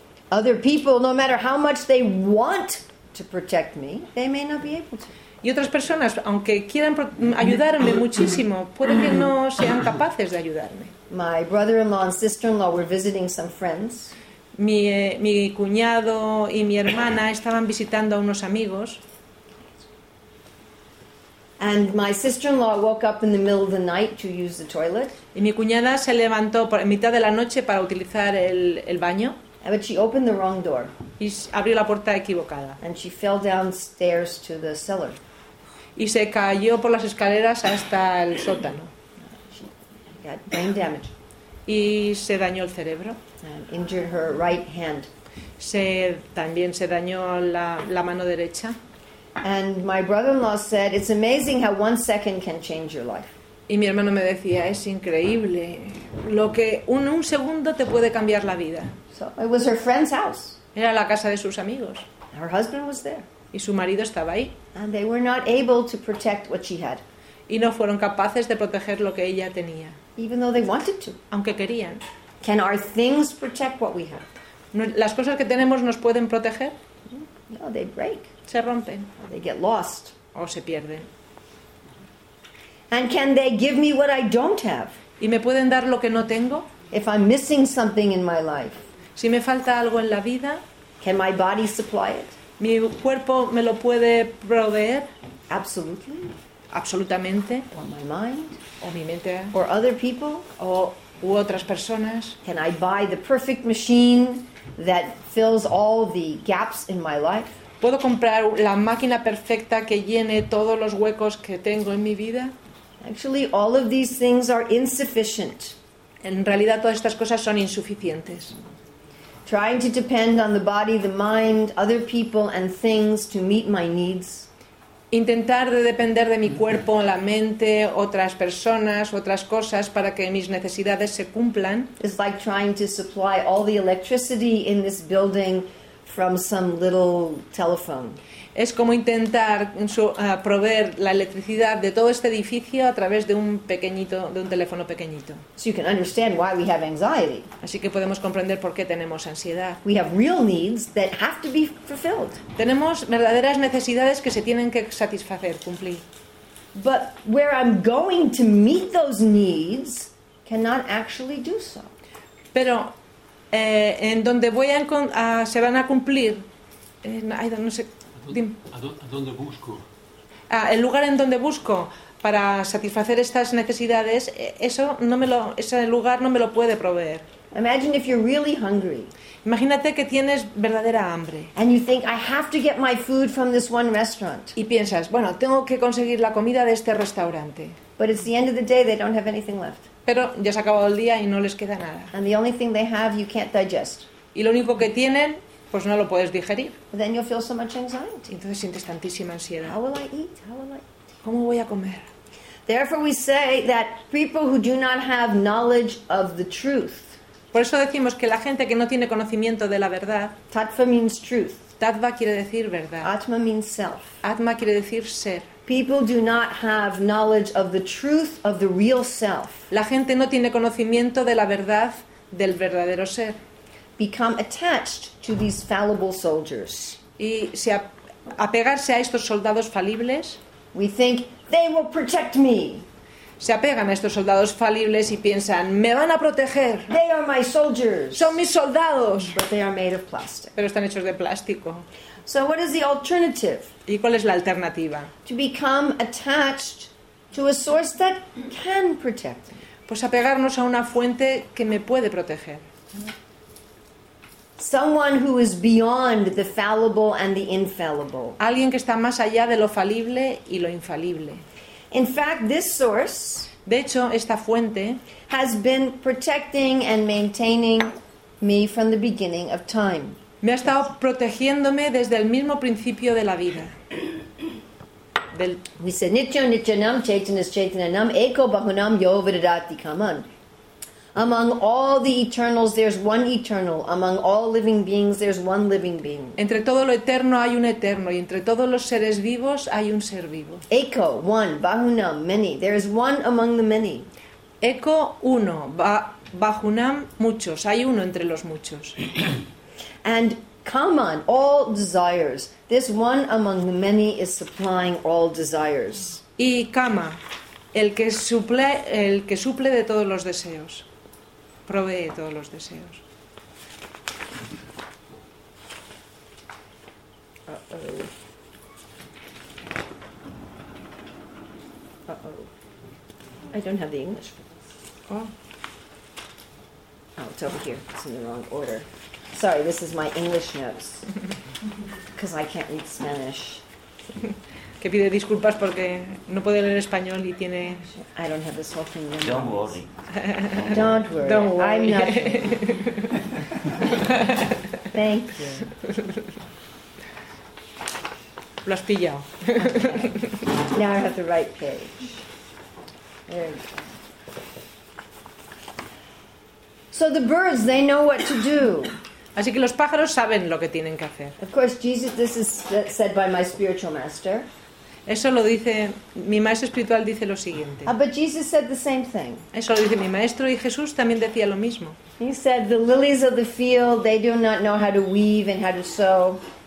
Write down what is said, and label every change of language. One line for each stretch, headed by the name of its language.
English: Other people, no matter how much they want to protect me, they may not be able to.
Spanish: Y otras personas, aunque quieran ayudarme muchísimo, puede que no sean capaces de ayudarme.
English: My brother-in-law and sister-in-law were visiting some friends.
Spanish: Mi cuñado y mi hermana estaban visitando a unos amigos.
English: And my sister-in-law woke up in the middle of the night to use the toilet.
Spanish: Y mi cuñada se levantó en mitad de la noche para utilizar el baño.
English: But she opened the wrong door.
Spanish: Y abrió la puerta equivocada.
English: And she fell downstairs to the cellar.
Spanish: Y se cayó por las escaleras hasta el sótano.
English: Got brain damage.
Spanish: Y se dañó el cerebro.
English: And injured her right hand.
Spanish: También se dañó la mano derecha.
English: And my brother-in-law said, "It's amazing how 1 second can change your life."
Spanish: Y mi hermano me decía, es increíble lo que un segundo te puede cambiar la vida.
English: So it was her friend's house.
Spanish: Era la casa de sus amigos.
English: Her husband was there.
Spanish: Y su marido estaba ahí.
English: And they were not able to protect what she had.
Spanish: Y no fueron capaces de proteger lo que ella tenía.
English: Even though they wanted to.
Spanish: Aunque querían.
English: Can our things protect what we have?
Spanish: ¿Las cosas que tenemos nos pueden proteger?
English: No, they break.
Spanish: Se rompen.
English: Or they get lost.
Spanish: O se pierden.
English: And can they give me what I don't have?
Spanish: ¿Y me pueden dar lo que no tengo?
English: If I'm missing something in my life.
Spanish: Si me falta algo en la vida.
English: Can my body supply it?
Spanish: ¿Mi cuerpo me lo puede proveer?
English: Absolutely.
Spanish: Absolutamente.
English: Or my mind.
Spanish: O mi mente.
English: Or other people.
Spanish: O u otras personas.
English: Can I buy the perfect machine that fills all the gaps in my life?
Spanish: ¿Puedo comprar la máquina perfecta que llene todos los huecos que tengo en mi vida?
English: Actually, all of these things are insufficient.
Spanish: En realidad, todas estas cosas son insuficientes.
English: Trying to depend on the body, the mind, other people and things to meet my needs.
Spanish: Intentar de depender de mi cuerpo, la mente, otras personas, otras cosas para que mis necesidades se cumplan.
English: It's like trying to supply all the electricity in this building from some little telephone.
Spanish: Es como intentar proveer la electricidad de todo este edificio a través de un teléfono pequeñito.
English: So you can understand why we have anxiety.
Spanish: Así que podemos comprender por qué tenemos ansiedad.
English: We have real needs that have to be fulfilled.
Spanish: Tenemos verdaderas necesidades que se tienen que satisfacer, cumplir.
English: But where I'm going to meet those needs cannot actually do so.
Spanish: Pero en donde voy a se van a cumplir, el lugar en donde busco para satisfacer estas necesidades, ese lugar no me lo puede proveer.
English: Imagine if you're really hungry.
Spanish: Imagínate que tienes verdadera hambre.
English: And you think, I have to get my food from this one restaurant.
Spanish: Y piensas, bueno, tengo que conseguir la comida de este restaurante.
English: But it's the end of the day, they don't have anything left.
Spanish: Pero ya se ha acabado el día y no les queda nada.
English: And the only thing they have, you can't digest.
Spanish: Y lo único que tienen, pues no lo puedes digerir.
English: But then you'll feel so much anxiety.
Spanish: Entonces sientes tantísima ansiedad.
English: How will I eat? How will I eat?
Spanish: ¿Cómo voy a comer?
English: Therefore we say that people who do not have knowledge of the truth.
Spanish: Por eso decimos que la gente que no tiene conocimiento de la verdad.
English: Tattva means truth.
Spanish: Tattva quiere decir verdad.
English: Atma means self.
Spanish: Atma quiere decir ser.
English: People do not have knowledge of the truth of the real self.
Spanish: La gente no tiene conocimiento de la verdad del verdadero ser.
English: Become attached to these fallible soldiers.
Spanish: Y si apegarse a estos soldados falibles.
English: We think they will protect me.
Spanish: Se apegan a estos soldados falibles y piensan, me van a proteger.
English: They are my soldiers.
Spanish: Son mis soldados.
English: But they are made of plastic.
Spanish: Pero están hechos de plástico.
English: So what is the alternative?
Spanish: ¿Y cuál es la alternativa?
English: To become attached to a source that can protect me.
Spanish: Pues apegarnos a una fuente que me puede proteger.
English: Someone who is beyond the fallible and the infallible.
Spanish: Alguien que está más allá de lo falible y lo infalible.
English: In fact, this source,
Spanish: de hecho, esta fuente,
English: has been protecting and maintaining me from the beginning of time.
Spanish: Me ha estado protegiéndome desde el mismo principio de la vida.
English: We say
Sanskrit: nitya nityanam chaitanas chaitananam eko bahunam yo vidadati kaman.
English: Among all the eternals, there's one eternal. Among all living beings, there's one living being.
Spanish: Entre todo lo eterno hay un eterno, y entre todos los seres vivos hay un ser vivo.
English: Eko, one, bahunam, many. There is one among the many.
Spanish: Eko, uno, bahunam, muchos. Hay uno entre los muchos.
English: And kaman, all desires. This one among the many is supplying all desires.
Spanish: Y kama, el que suple de todos los deseos. Provee todos los deseos.
English: Uh-oh. I don't have the English for this. Oh, it's over here. It's in the wrong order. Sorry, this is my English notes. Because I can't read Spanish.
Spanish: Que pide disculpas porque no puede leer español y tiene...
English: I don't have this whole thing. Don't worry. Don't worry. Don't worry. I'm not. Thank you.
Spanish: Lo has pillado.
English: Okay. Now I have the right page. There we go. So the birds, they know what to do.
Spanish: Así que los pájaros saben lo que tienen que hacer.
English: Of course, Jesus, this is said by my spiritual master.
Spanish: Eso lo dice, mi maestro espiritual dice lo siguiente.
English: But Jesus said the same thing.
Spanish: Eso lo dice mi maestro y Jesús también decía lo mismo.
English: He said, the lilies of the field, they do not know how to weave and how to sow.